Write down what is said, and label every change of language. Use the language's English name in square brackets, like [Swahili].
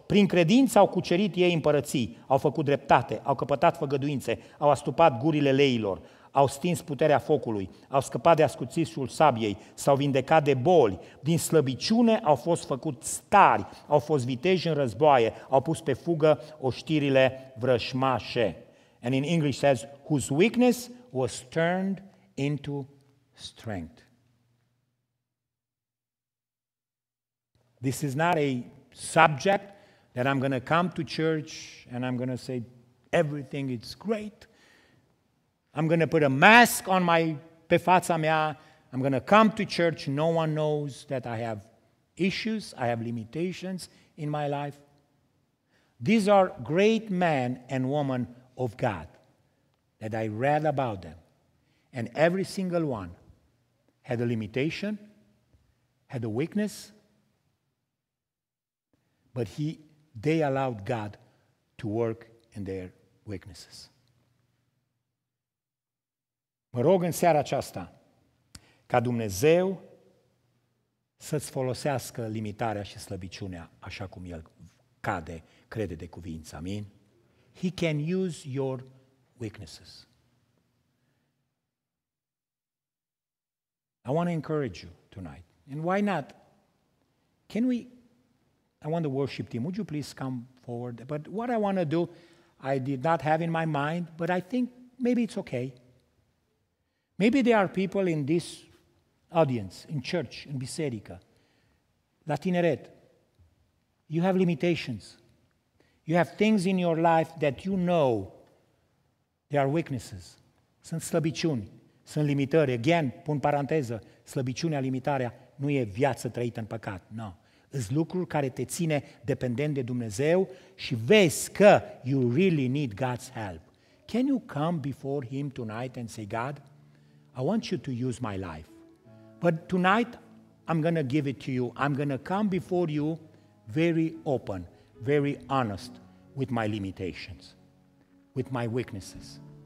[Romanian] Prin credință au cucerit ei împărății, au făcut dreptate, au căpătat făgăduințe, au astupat gurile leilor, au stins puterea focului, au scăpat de ascuțișul sabiei, s-au vindecat de boli, din slăbiciune au fost făcut stari, au fost viteji în războaie, au pus pe fugă oștirile vrășmașe. [English] And in English says, whose weakness was turned into strength. This is not a subject that I'm going to come to church and I'm going to say everything is great. I'm going to put a mask on my [Romanian] pe fața mea. [English] I'm going to come to church. No one knows that I have issues. I have limitations in my life. These are great men and women of God that I read about them. And every single one had a limitation, had a weakness, but they allowed God to work in their weaknesses. [Romanian] Mă rog în seara aceasta ca Dumnezeu să-ți folosească limitarea și slăbiciunea așa cum El crede de cuvință. [English] Amin? He can use your weaknesses. I want to encourage you tonight. And why not? I want the worship team, would you please come forward? But what I want to do, I did not have in my mind, but I think maybe it's okay. Maybe there are people in this audience, in church, [Romanian] in biserica, la tineret, [English] you have limitations. You have things in your life that you know they are weaknesses. [Romanian] Sunt slăbiciuni, sunt limitări. Again, pun paranteză, slăbiciunea, limitarea, nu e viață trăită în păcat, no. Sunt lucruri care te ține dependent de Dumnezeu și vezi că [English] you really need God's help. Can you come before Him tonight and say, God, I want you to use my life. But tonight, I'm going to give it to you. I'm going to come before you very open, very honest with my limitations, with my weaknesses.